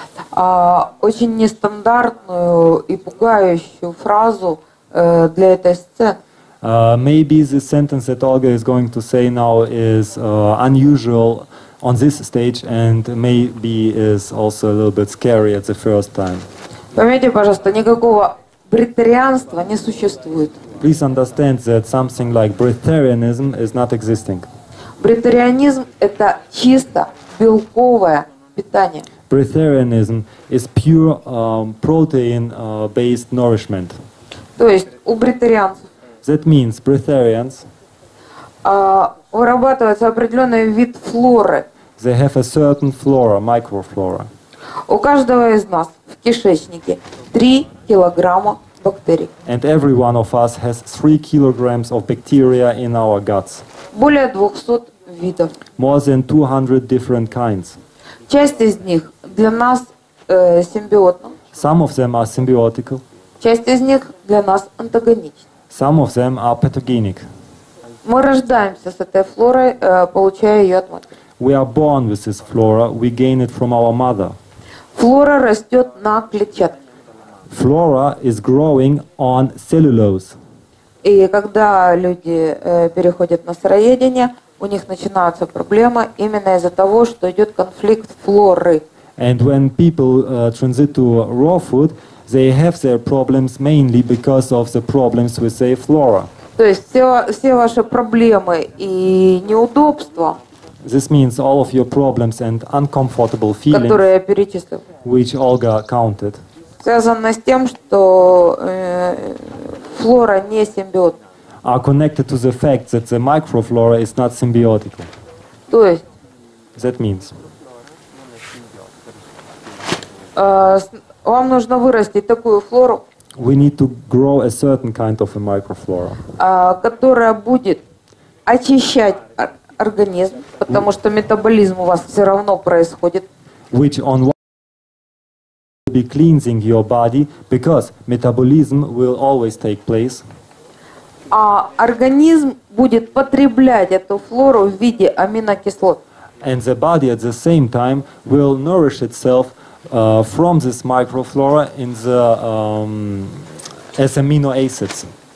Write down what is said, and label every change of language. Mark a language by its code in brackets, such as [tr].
[ru] Очень нестандартную и пугающую фразу для этой сцены. [en] Maybe the sentence that Olga is going to say now is unusual on this stage and maybe is also a little bit scary at the first time. [ru] Поймите, пожалуйста, никакого бретарианства не существует. [en] Please understand that something like breatharianism is not existing. [ru] Бретарианизм – это чисто белковое питание. [en] Breatharianism is pure protein-based nourishment. [ru] То есть у бретарианцев. [en] That means breatharians. [ru] Вырабатывается определенный вид флоры. [en] They have a certain flora, microflora. [ru] У каждого из нас в кишечнике 3 килограмма бактерий. [en] And every one of us has 3 kilograms of bacteria in our guts. [ru] Более 200 видов. [en] More than 200 different kinds. [ru] Часть из них для нас симбиотна. [en] Some of them are symbiotical. [ru] Часть из них для нас антагонична. [en] Some of them are pathogenic. [ru] Мы рождаемся с этой флорой, получая ее от матери. [en] We are born with this flora. We gain it from our mother. [ru] Флора растет на клетчатке. [en] Flora is growing on cellulose. [ru] И когда люди переходят на сыроедение, у них начинаются проблемы именно из-за того, что идет конфликт флоры. [en] And when people transit to raw food, they have their problems mainly because of the problems with their flora. [ru] То есть все ваши проблемы и неудобства. [en] This means all of your problems and uncomfortable feelings, [ru] которые я перечислил, [en] which Olga counted, [ru] связаны с тем, что флора не симбиотна. [en] Are connected to the fact that the microflora is not symbiotic. [ru] То есть. [en] That means. [ru] Вам нужно вырастить такую флору. [en] We need to grow a certain kind of a microflora. [ru] Которая будет очищать организм, потому что метаболизм у вас все равно происходит. [en] Which on one will be cleansing your body, because metabolism will always take place. [ru] А организм будет потреблять эту флору в виде аминокислот. [en] And the body at the same time will nourish itself from this microflora in the as amino acids.